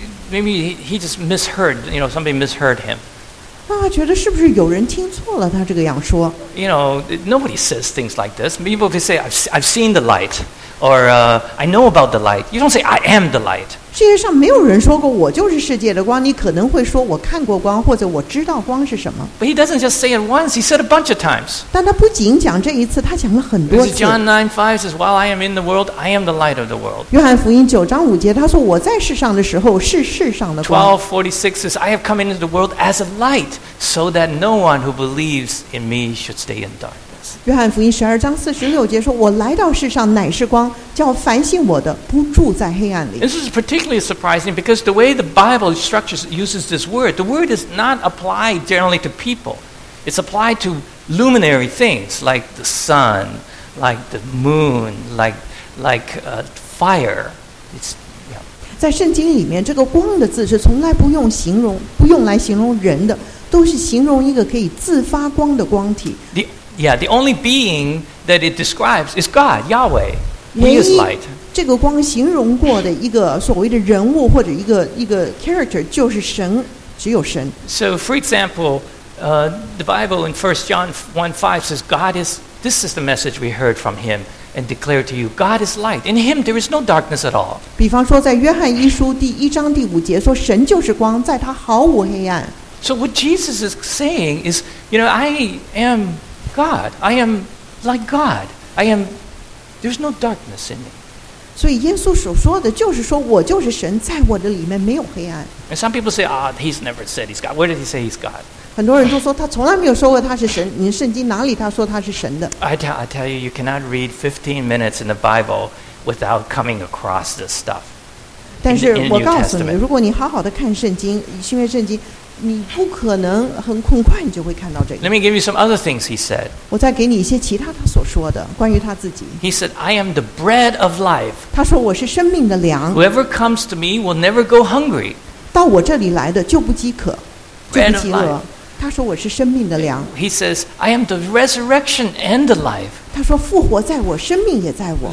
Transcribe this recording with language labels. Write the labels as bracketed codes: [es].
[en] Maybe he just misheard, you know, somebody misheard him. [zh] 那他觉得是不是有人听错了他这个样说 [en] You know, nobody says things like this. People say, I've seen the light, or I know about the light. You don't say, I am the light. [zh] 世界上没有人说过我就是世界的光你可能会说我看过光或者我知道光是什么 [en] But he doesn't just say it once, he said a bunch of times [zh] 但他不仅讲这一次他讲了很多次 [en] John 9:5 says while I am in the world, I am the light of the world [zh] 约翰福音九章五节他说我在世上的时候是世上的光 [en] 12:46 says I have come into the world as a light so that no one who believes in me should stay in dark [zh] 约翰福音十二章四十六节说我来到世上乃是光叫凡信我的不住在黑暗里 [en] This is particularly surprising because the way the Bible structures uses this word the word is not applied generally to people it's applied to luminary things like the sun like the moon like fire it's, yeah. [zh] 在圣经里面这个光的字是从来不用形容不用来形容人的都是形容一个可以自发光的光体 [en] Yeah, the only being that it describes is God, Yahweh. He is light. [zh] 这个光形容过的一个所谓的人物或者一个 character 就是神，只有神。 [en] So, for example, the Bible in 1 John 1:5 says God is This is the message we heard from him and declare to you, God is light. In him there is no darkness at all. [zh] 比方说在约翰一书第一章第五节说神就是光，在他毫无黑暗。 [en] So what Jesus is saying is, you know, I am God. I am like God. I am, there's no darkness in me. [zh] 所以耶稣所说的就是说我就是神，在我的里面没有黑暗。 [en] And some people say, ah, he's never said he's God. Where did he say he's God? [zh] 很多人都说他从来没有说过他是神，你圣经哪里他说他是神的？ [en] I tell you, you cannot read 15 minutes in the Bible without coming across this stuff. [zh] 但是我告诉你，如果你好好的看圣经，新约圣经，你不可能很快你就会看到这个。 [en] Let me give you some other things he said. [zh] 我再给你一些其他他所说的关于他自己。 [en] He said, I am the bread of life. [zh] 他说我是生命的粮。 [en] Whoever comes to me will never go hungry. [zh] 到我这里来的就不饥渴，就不饥饿。他说我是生命的粮。 [en] He says, I am the resurrection and the life. [zh] 他说复活在我，生命也在我。